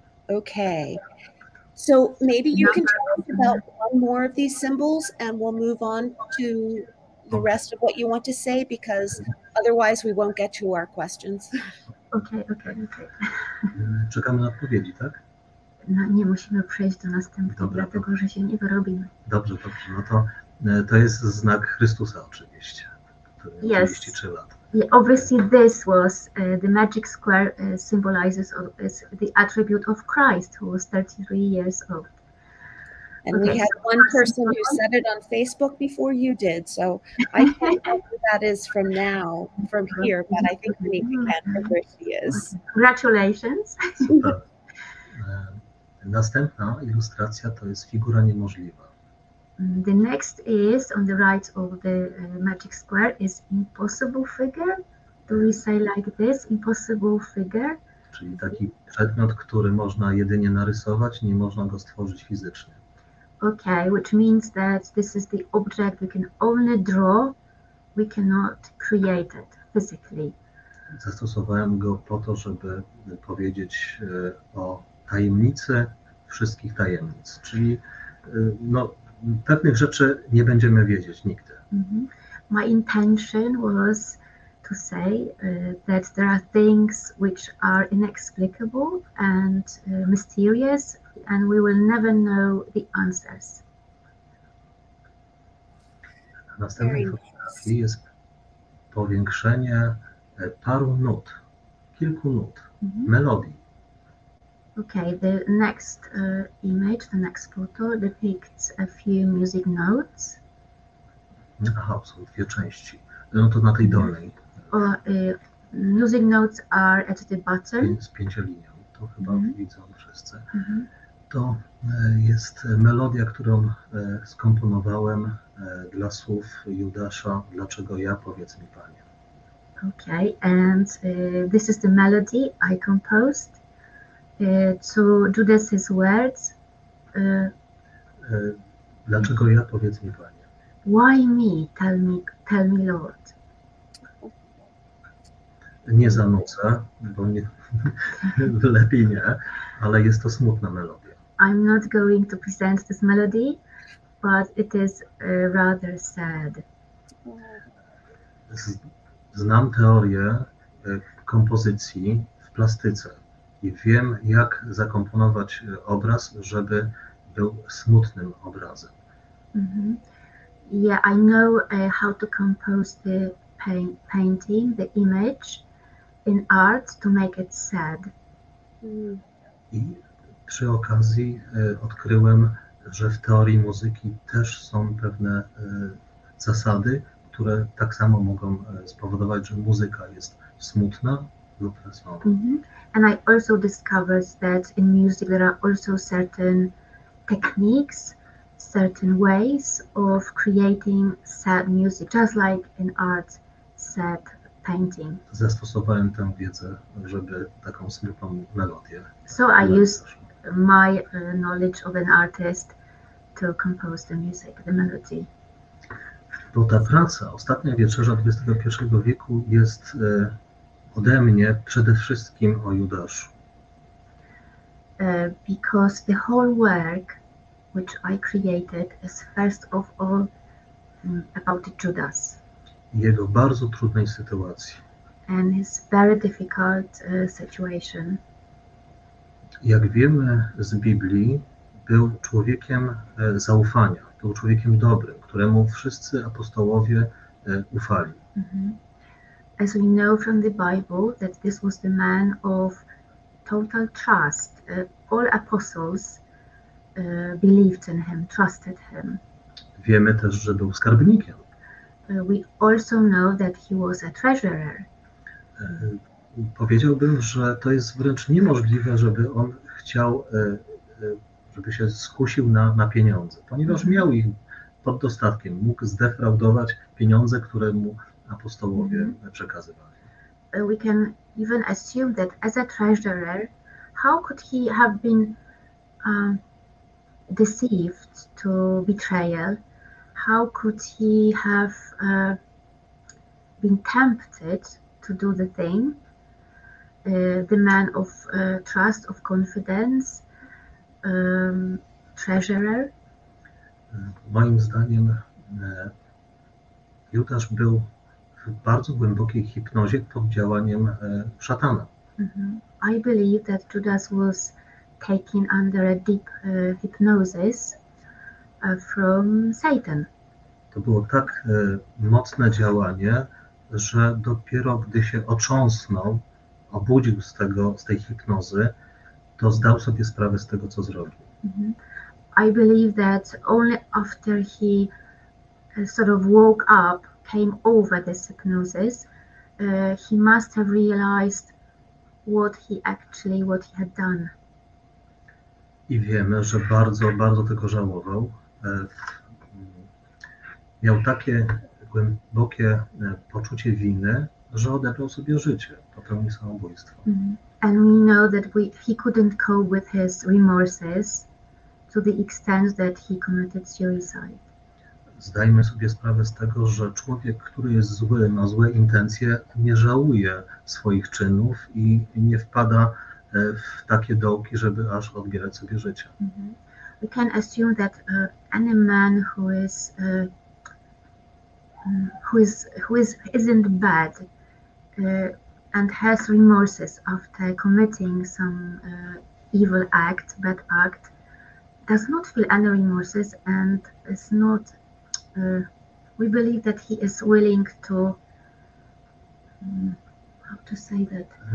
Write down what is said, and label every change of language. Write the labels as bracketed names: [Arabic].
[English] Okay, so maybe you can tell us about one more of these symbols and we'll move on to the rest of what you want to say, because otherwise we won't get to our questions. Okay. [Polish] Czekamy na odpowiedzi, tak? No, nie musimy przejść do następnego, dobra, dlatego że się nie wyrobimy. Dobrze, dobrze. No to jest znak Chrystusa oczywiście, który [English] yes. [Polish] 33 lat. [English] Obviously, this was the magic square symbolizes the attribute of Christ, who was 33 years old. And okay, we had one person who said it on Facebook before you did, so I can't know who that is from here, but I think we can for where she is. Congratulations. [Polish] Następna ilustracja to jest figura niemożliwa. [English] The next is on the right of the magic square is impossible figure. Do we say like this, impossible figure? [Polish] Czyli taki przedmiot, który można jedynie narysować, nie można go stworzyć fizycznie. [English] Okay, which means that this is the object we can only draw, we cannot create it physically. [Polish] Zastosowałem go po to, żeby powiedzieć o tajemnicy wszystkich tajemnic, czyli no pewnych rzeczy nie będziemy wiedzieć nigdy. [English] My intention was to say that there are things which are inexplicable and mysterious, and we will never know the answers. [Polish] Następny fotografii jest powiększenie paru nut, kilku nut, melodii. [English] Okay, the next image, the next photo depicts a few music notes. [Polish] Aha, są dwie części. No to na tej dolnej. [English] Losing notes are at the bottom. [Polish] Z pięciolinią, to chyba widzą wszyscy. To jest melodia, którą skomponowałem dla słów Judasza, dlaczego ja, powiedz mi Panie. [English] Okay, and this is the melody I composed to Judas's words. [Polish] Dlaczego ja, powiedz mi Panie? [English] Why me? Tell me, Lord. [Polish] Nie zanucę, bo nie, lepiej nie, ale jest to smutna melodia. [English] I'm not going to present this melody, but it is rather sad. [Polish] Znam teorię kompozycji w plastyce i wiem, jak zakomponować obraz, żeby był smutnym obrazem. [English] Yeah, I know how to compose the painting, the image in art to make it sad. [Polish] I przy okazji odkryłem, że w teorii muzyki też są pewne zasady, które tak samo mogą spowodować, że muzyka jest smutna lub wesoła. [English] And I also discovered that in music there are also certain techniques, certain ways of creating sad music, just like in art, sad painting. [Polish] Zastosowałem tę wiedzę, żeby taką smutną melodię. [English] So I used my knowledge of an artist to compose the music, the melody. [Polish] Bo ta praca, ostatnia wieczerza XXI wieku, jest ode mnie przede wszystkim o Judaszu. [English] Because the whole work which I created is first of all about Judas. Jego bardzo trudnej sytuacji. And his very difficult situation. [Polish] Jak wiemy z Biblii, był człowiekiem zaufania. Był człowiekiem dobrym, któremu wszyscy apostołowie ufali. [English] As we know from the Bible that this was the man of total trust. All apostles believed in him, trusted him. [Polish] Wiemy też, że był skarbnikiem. [English] We also know that he was a treasurer. [Polish] Powiedziałbym, że to jest wręcz niemożliwe, żeby on chciał żeby się skusił na pieniądze, ponieważ miał ich pod dostatkiem, mógł zdefraudować pieniądze, które mu apostołowie przekazywali. [English] We can even assume that as a treasurer, how could he have been deceived to betrayal? How could he have been tempted to do the thing? The man of trust, of confidence, treasurer. [Polish] Moim zdaniem Judasz był w bardzo głębokiej hipnozie pod działaniem szatana. [English] I believe that Judas was taken under a deep hypnosis from Satan. [Polish] To było tak mocne działanie, że dopiero gdy się otrząsnął, obudził z tej hipnozy, to zdał sobie sprawę z tego, co zrobił. [English] I believe that only after he sort of woke up, came over this hypnosis, he must have realized what he had done. [Polish] I wiemy, że bardzo, bardzo tego żałował. Miał takie głębokie poczucie winy, że odebrał sobie życie, popełnił samobójstwo. [English] And we know that he couldn't cope with his remorses to the extent that he committed suicide. [Polish] Zdajmy sobie sprawę z tego, że człowiek, który jest zły, ma złe intencje, nie żałuje swoich czynów i nie wpada w takie dołki, żeby aż odbierać sobie życie. [English] We can assume that any man who isn't bad and has remorses after committing some evil act, bad act, does not feel any remorses and is not, we believe that he is willing to, how to say that?